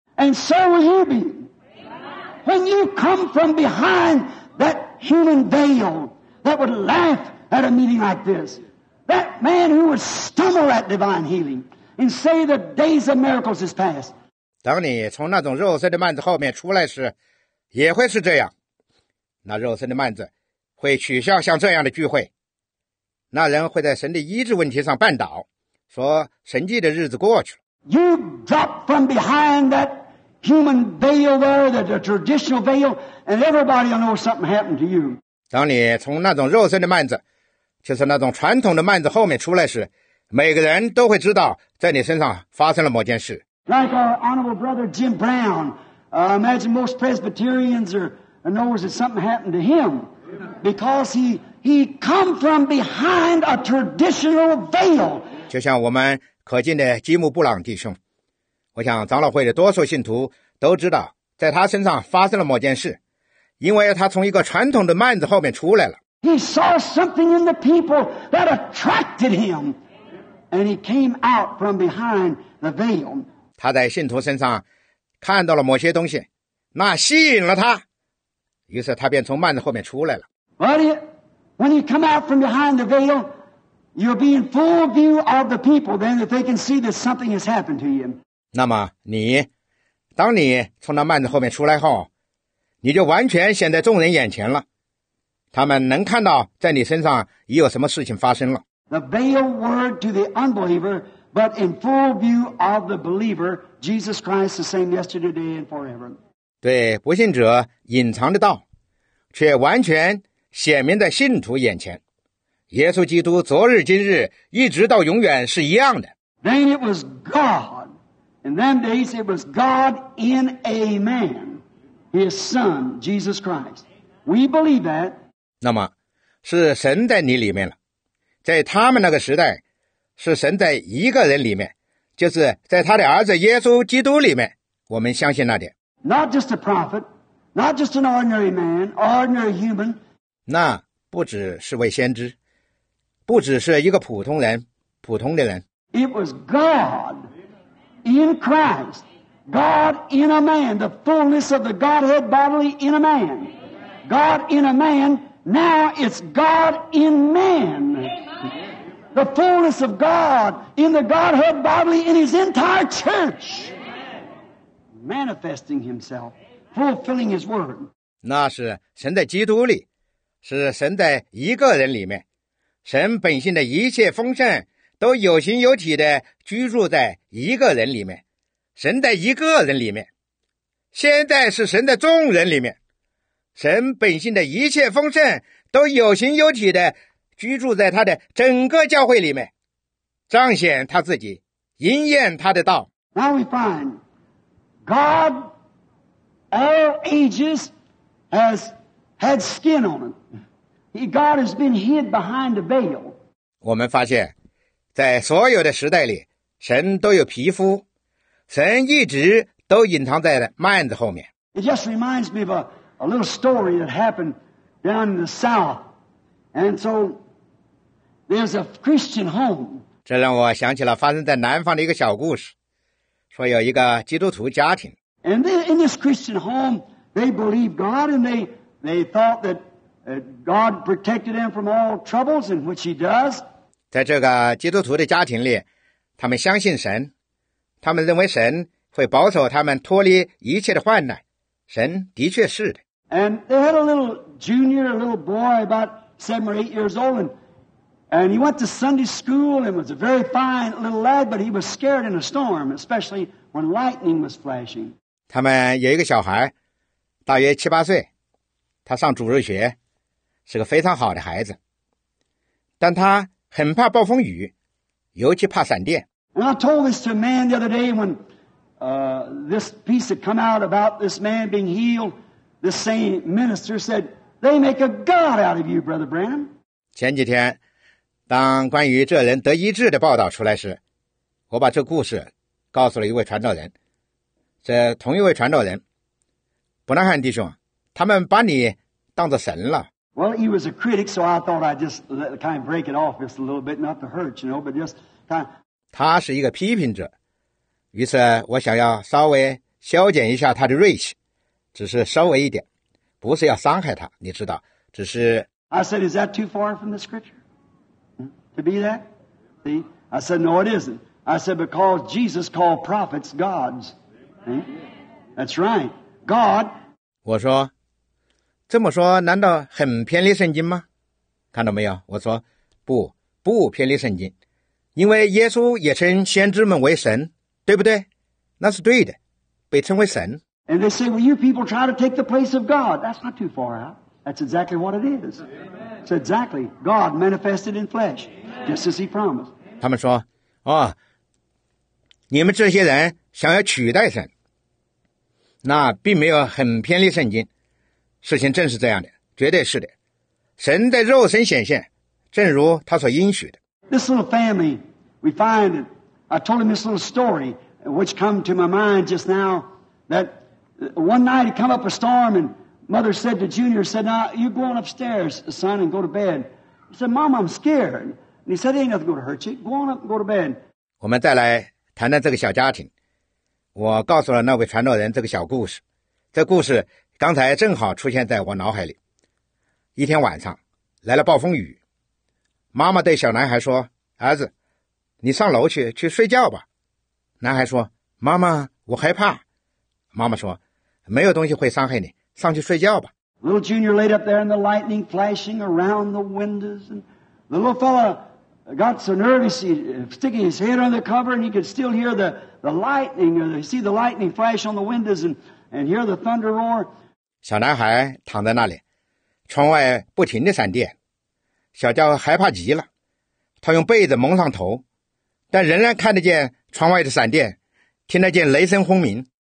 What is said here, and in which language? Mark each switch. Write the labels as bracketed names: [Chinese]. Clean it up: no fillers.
[English] And so will you be. When you come from behind that human veil that would laugh at a meeting like this, that man who would stumble at divine healing. And say the days of miracles is past. [Chinese] 当你从那种肉身的幔子后面出来时，也会是这样。那肉身的幔子会取笑像这样的聚会。那人会在神的医治问题上绊倒，说神迹的日子过去了。 [English] You drop from behind that human veil there, the traditional veil, and everybody will know something happened to you. [Chinese] 当你从那种肉身的幔子，就是那种传统的幔子后面出来时，每个人都会知道在你身上发生了某件事。 [English] Like our honorable brother Jim Brown, imagine most Presbyterians knows that something happened to him because he come from behind a traditional veil. [Chinese] 就像我们可敬的吉姆布朗弟兄，我想长老会的多数信徒都知道在他身上发生了某件事，因为他从一个传统的幔子后面出来了。 [English] He saw something in the people that attracted him. And he came out from behind the veil. [Chinese] 他在信徒身上看到了某些东西，那吸引了他，于是他便从幔子后面出来了。 [English] But when you come out from behind the veil, you'll be in full view of the people. Then if they can see that something has happened to you. [Chinese] 那么你，当你从那幔子后面出来后，你就完全显在众人眼前了，他们能看到在你身上已有什么事情发生了。 [English] The veiled word to the unbeliever, but in full view of the believer, Jesus Christ the same yesterday, today, and forever. [Chinese] 对不信者隐藏的道，却完全显明在信徒眼前。耶稣基督昨日今日一直到永远是一样的。 [English] Then it was God. In them days it was God in a man, his son, Jesus Christ. We believe that. [Chinese] 那么是神在你里面了。在他们那个时代，是神在一个人里面，就是在他的儿子耶稣基督里面，我们相信那点。 [English] Not just a prophet, not just an ordinary man, ordinary human. [Chinese] 那不只是位先知，不只是一个普通人，普通的人。 [English] It was God in Christ, God in a man, the fullness of the Godhead bodily in a man, God in a man. Now it's God in man. The fullness of God in the Godhead bodily in his entire church. Manifesting himself, fulfilling his word. [Chinese] 那是神在基督里，是神在一个人里面。神本性的一切丰盛都有形有体的居住在一个人里面。神在一个人里面。现在是神在众人里面。神本性的一切丰盛都有形有体的居住在他的整个教会里面，彰显他自己，应验他的道。 [English] Now we find God all ages has had skin on him. God has been hid behind the veil. [Chinese] 我们发现在所有的时代里，神都有皮肤，神一直都隐藏在幔子后面。 [English] It just reminds me of a little story that happened down in the south. And so There's a Christian home. [Chinese] 这让我想起了发生在南方的一个小故事，说有一个基督徒家庭。 [English] And in this Christian home, they believed God, and they thought that God protected them from all troubles, in which He does. [Chinese] 在这个基督徒的家庭里，他们相信神，他们认为神会保守他们脱离一切的患难。神的确是的。 [English] And they had a little junior, a little boy about 7 or 8 years old, and he went to Sunday school and was a very fine little lad, but he was scared in a storm, especially when lightning was flashing. [Chinese] 他们有一个小孩，大约七八岁，他上主日学，是个非常好的孩子，但他很怕暴风雨，尤其怕闪电。 [English] And I told this to a man the other day when this piece had come out about this man being healed. The same minister said, "They make a god out of you, Brother Branham." [Chinese] 前几天，当关于这人得医治的报道出来时，我把这故事告诉了一位传道人。这同一位传道人，伯南汉弟兄，他们把你当作神了。 [English] Well, he was a critic, so I thought I'd just kind of break it off just a little bit, not to hurt, you know, but just kind of. [Chinese] 他是一个批评者，于是我想要稍微削减一下他的锐气。只是稍微一点，不是要伤害他，你知道，只是。 [English] I said, is that too far from the scripture? To be that? See? I said, no, it isn't. I said, because Jesus called prophets gods. That's right. God. [Chinese] 我说，这么说难道很偏离圣经吗？看到没有？我说，不，不偏离圣经，因为耶稣也称先知们为神，对不对？那是对的，被称为神。 [English] And they say, well, you people try to take the place of God. That's not too far out. That's exactly what it is. Amen. It's exactly God manifested in flesh,、 Amen. just as He promised. [Chinese] 他们说，哦，你们这些人想要取代神，那并没有很偏离圣经。事情正是这样的，绝对是的。神在肉身显现，正如他所应许的。 [English] This little family, we find, I told him this little story, which come to my mind just now, that... One night, it came up a storm, and mother said to Junior, said, now, you go on upstairs, son, and go to bed. He said, Mom, I'm scared. And he said, ain't nothing going to hurt you. Go on up and go to bed. [Chinese] 我们再来谈谈这个小家庭。我告诉了那位传道人这个小故事。这故事刚才正好出现在我脑海里。一天晚上，来了暴风雨。妈妈对小男孩说，儿子，你上楼去睡觉吧。男孩说，妈妈，我害怕。妈妈说，没有东西会伤害你，上去睡觉吧。 [English] Little Junior laid up there and the lightning flashing around the windows. And the little fellow got so nervous, he sticking his head under the cover and he could still hear the lightning, or see the lightning flash on the windows and hear the thunder roar. [Chinese] 小男孩躺在那里，窗外不停地闪电，小家伙害怕极了，他用被子蒙上头，但仍然看得见窗外的闪电，听得见雷声轰鸣。